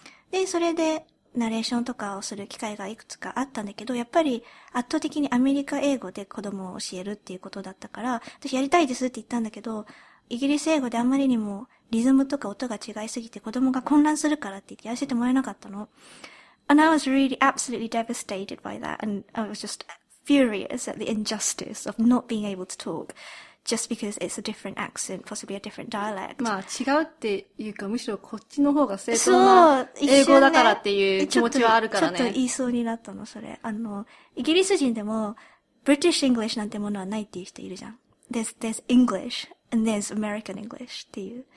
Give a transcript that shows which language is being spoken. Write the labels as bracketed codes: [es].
[ja] で、それで、ナレーションとかをする機会がいくつかあったんだけど、やっぱり圧倒的にアメリカ英語で子供を教えるっていうことだったから、私やりたいですって言ったんだけど、イギリス英語であまりにもリズムとか音が違いすぎて子供が混乱するからって言ってやらせてもらえなかったの。 [en] And I was really absolutely devastated by that, and I was just furious at the injustice of not being able to talk just because it's a different accent, possibly a different dialect. [ja] まあ違うっていうか、むしろこっちの方が正当な英語だからっていう気持ちはあるからね。ちょっと言いそうになったの、それ。イギリス人でも British English なんてものはないっていう人いるじゃん。 [en] There's English and there's American English [ja] っていう、